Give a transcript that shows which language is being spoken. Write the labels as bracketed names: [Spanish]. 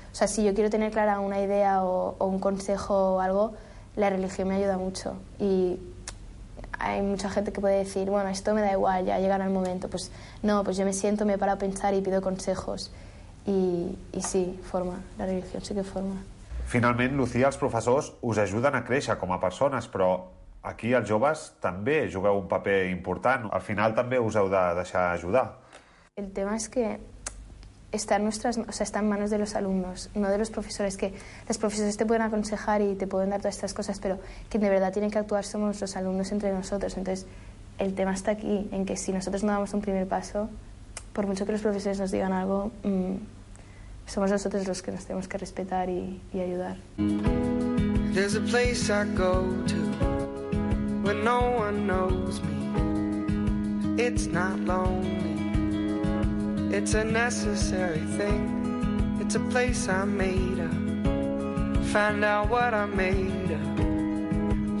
[Spanish] O sea, si yo quiero tener clara una idea o un consejo o algo, la religión me ayuda mucho. Y hay mucha gente que puede decir, bueno, esto me da igual, ya llegará el momento. Pues no, pues yo me siento, me paro a pensar y pido consejos. Y sí, forma, la religión sí que forma. [Catalan] Finalment, Lucía, els professors us ajuden a créixer com a persones, però aquí els joves també jugueu un paper important. Al final també us heu de deixar ajudar. [Spanish] El tema es que está en manos de los alumnos, no de los profesores, que los profesores te pueden aconsejar y te pueden dar todas estas cosas, pero quien de verdad tiene que actuar somos los alumnos entre nosotros. Entonces, el tema está aquí, en que si nosotros no damos un primer paso, por mucho que los profesores nos digan algo, somos nosotros los que nos tenemos que respetar y ayudar. [English] There's a place I go to when no one knows me. It's not lonely. It's a necessary thing. It's a place I made up. Find out what I made up.